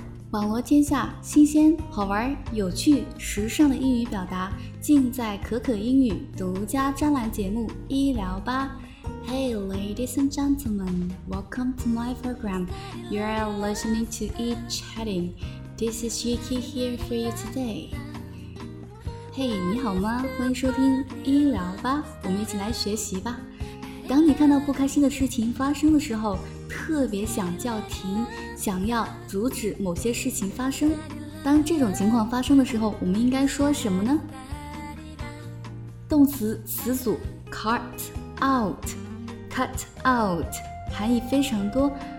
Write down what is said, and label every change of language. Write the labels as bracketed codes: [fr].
[zh] 网罗天下新鲜好玩有趣时尚的英语表达，尽在可可英语独家专栏节目医疗吧。 [en] Hey ladies and gentlemen, welcome to my program. You are listening to E-Chatting. This is Yuki here for you today. [zh] Hey, 你好吗？欢迎收听医疗吧，我们一起来学习吧。当你看到不开心的事情发生的时候，特别想叫停，想要阻止某些事情发生。当这种情况发生的时候，我们应该说什么呢？动词词组 cut out， cut out 含义非常多。